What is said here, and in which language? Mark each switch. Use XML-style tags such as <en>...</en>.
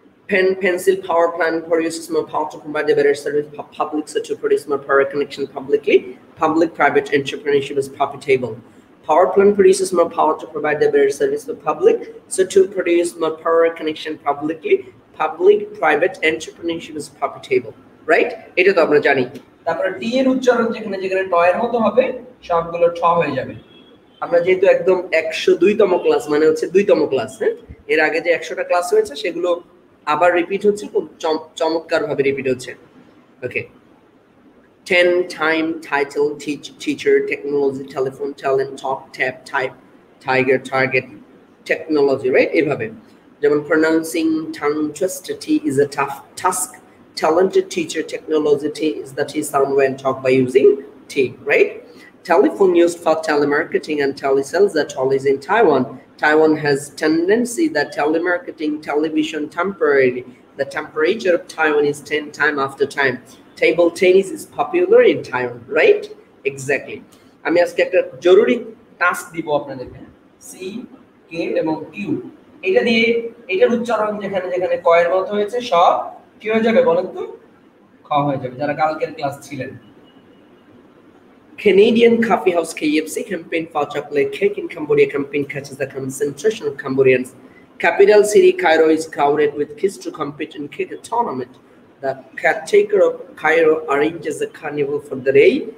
<en>Pen, pencil, power plant, produce more power to provide a better service, public sector to produce more power connection publicly, public private entrepreneurship is profitable. Power plant produces more power to provide a better service for public, so to produce more power connection publicly, public private entrepreneurship is profitable.</en> <bn>Right? এটা তো আমরা জানি। তারপরে টি এর উচ্চারণ যেখানে যেখানে টয়ের মতো হবে সবগুলো ঠ হয়ে যাবে। আমরা যেহেতু একদম 102তম ক্লাস, মানে হচ্ছে দুইতম ক্লাস, এর আগে যে 100টা ক্লাস হয়েছে সেগুলো আবার রিপিট হচ্ছে, খুব চমৎকার ভাবে রিপিট হচ্ছে।</bn> <en>Okay, ten, time, title, teach, teacher, technology, telephone, talent, talk, tap, type, tiger, target, technology, right?</en> <bn>এভাবে যেমন</bn> <en>Pronouncing, tongue, twist, T is a tough task, talented teacher, technology, T is the T sound when talk by using T, right? Telephone used for telemarketing and telesales at all is in Taiwan. Taiwan has tendency that telemarketing, television, temporary. The temperature of Taiwan is 10 time after time. Table tennis is popular in Taiwan, right? Exactly.</en> <bn>আমি আজকে একটা জরুরি task দিব আপনাদেরকে, C, কে এবং Q, এটা দিয়ে এটার উচ্চারণ যেখানে যেখানে কয়ের মতো হয়েছে সব কি হয়ে যাবে বলেন তো? খ হয়ে যাবে, যারা কালকের ক্লাস ছিলেন।</bn> <en>Canadian Coffee House KFC campaign for chocolate cake in Cambodia campaign catches the concentration of Cambodians. Capital city Cairo is crowded with kids to compete in cake tournament. The caretaker of Cairo arranges a carnival for the day.</en>